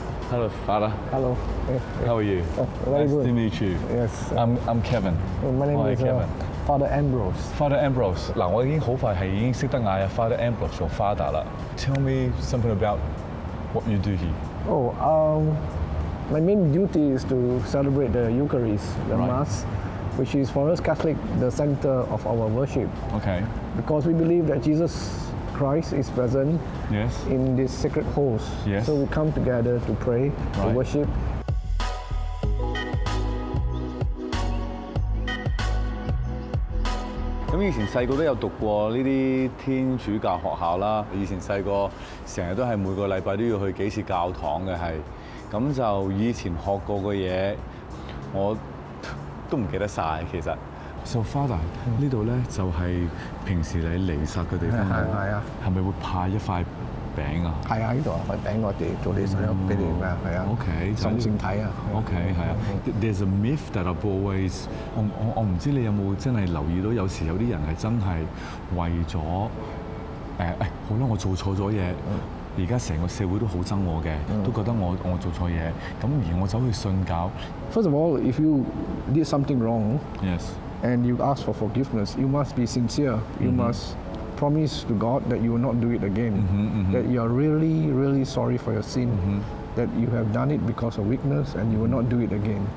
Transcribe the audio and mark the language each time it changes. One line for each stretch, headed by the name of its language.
English: ？Hello, father. Hello. How are you? Very good. Nice to meet you. Yes. I'm Kevin. My name is Kevin. Father Ambrose. Father Ambrose.
Cantonese: 嗱，我已經好快係已經識得嗌啊 Father Ambrose 做 father 啦。
English: Tell me something about what you do here. My main duty is to celebrate the Eucharist, the Mass, which is for us Catholic, the center of our worship. Okay. Because we believe that Jesus Christ is present in this sacred host. Yes. So we come together to pray, to worship. So, I've been studying these Christian schools. I've been studying every week, every week, every week, every week, every week.
Cantonese: 咁就以前學過嘅嘢，我都唔記得曬。其實，
English: So
Cantonese: Father 呢度咧就係平時你離煞嘅地方，係啊，係咪會派一塊餅啊？係啊，呢度啊塊餅我哋做啲神俾你咩？係啊，OK，神聖體啊，OK， 係啊。
English: There's a myth that a boy is，
Cantonese: 我唔知你有冇真係留意到，有時有啲人係真係為咗好啦，我做錯咗嘢。而家成個社會都好憎我嘅，都覺得我做錯嘢。咁而我走去信教。
English: First of all, if you did something wrong, yes, and you ask for forgiveness, you must be sincere. You must promise to God that you will not do it again. That you are really, really sorry for your sin. That you have done it because of weakness, and you will not do it again.